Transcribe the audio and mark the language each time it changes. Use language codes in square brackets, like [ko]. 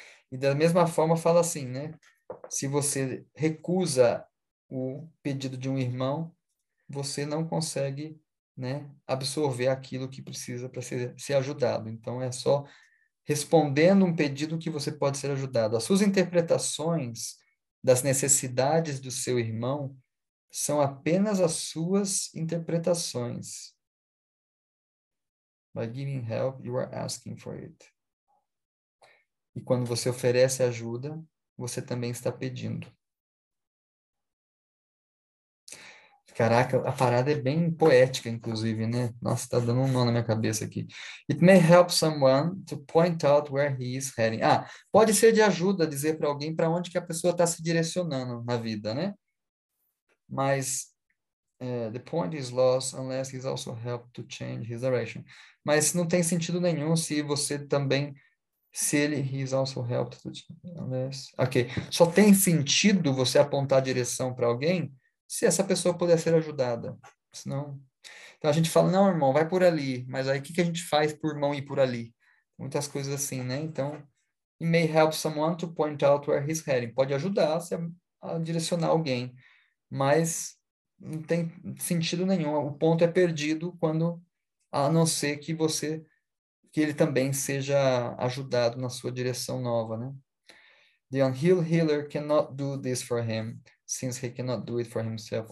[pt] E da mesma forma fala assim, né? Se você recusa o pedido de um irmão, você não consegue, né, absorver aquilo que precisa para ser ajudado. Então é só respondendo um pedido que você pode ser ajudado. As suas interpretações das necessidades do seu irmão são apenas as suas interpretações. [en] By giving help, you are asking for it. [pt] E quando você oferece ajuda, você também está pedindo. Caraca, a parada é bem poética, inclusive, né? Nossa, tá dando um nó na minha cabeça aqui. [en] It may help someone to point out where he is heading. [pt] Ah, pode ser de ajuda dizer para alguém para onde que a pessoa está se direcionando na vida, né? [en] Mas the point is lost unless he's also helped to change his direction. [pt] Mas não tem sentido nenhum se você também, se ele, [en] he's also helped to change, unless. [pt] Ok. Só tem sentido você apontar a direção para alguém se essa pessoa puder ser ajudada. Senão, então a gente fala, não, irmão, vai por ali. Mas aí o que que a gente faz por mão ir por ali? Muitas coisas assim, né? Então, [en] may help someone to point out where he's heading. [pt] Pode ajudar se a direcionar alguém, mas não tem sentido nenhum. O ponto é perdido quando, a não ser que você, que ele também seja ajudado na sua direção nova, né? [en] The unhealed healer cannot do this for him, since he cannot do it for himself.